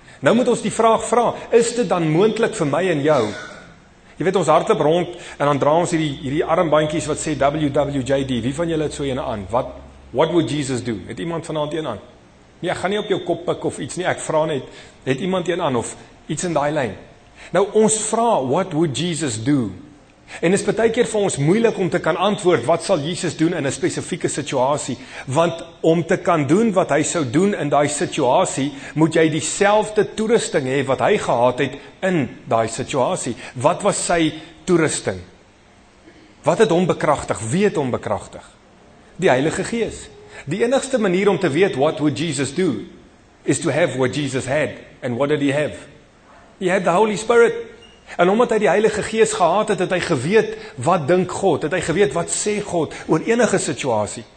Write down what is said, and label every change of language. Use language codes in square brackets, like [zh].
[af] Nou moet ons die vraag vra, is dit dan moontlik vir my en jou? Jy weet, ons hardloop rond en dan dra ons hierdie armbandjies wat sê WWJD. Wie van julle het so een aan? [en] What would Jesus do? [af] Het iemand vanaand een aan? Nee, ek gaan nie op jou kop pik of iets nie. Ek vra net, het iemand een aan of iets in die lijn? Nou, ons vra, [en] what would Jesus do? [af] En is baie keer vir ons moeilik om te kan antwoord, wat sal Jesus doen in 'n spesifieke situasie? Want om te kan doen wat hy sou doen in daai situasie, moet jy dieselfde toerusting hê wat hy gehad het in daai situasie. Wat was sy toerusting? Wat het hom bekragtig? Wie het hom bekragtig? Die Heilige Gees. Die enigste manier om te weet [en] what would Jesus do, is to have what Jesus had. And what did he have? He had the Holy Spirit. [af] En omdat hy die Heilige Gees gehad het, het hy geweet wat dink God, het hy geweet wat sê God oor enige situasie.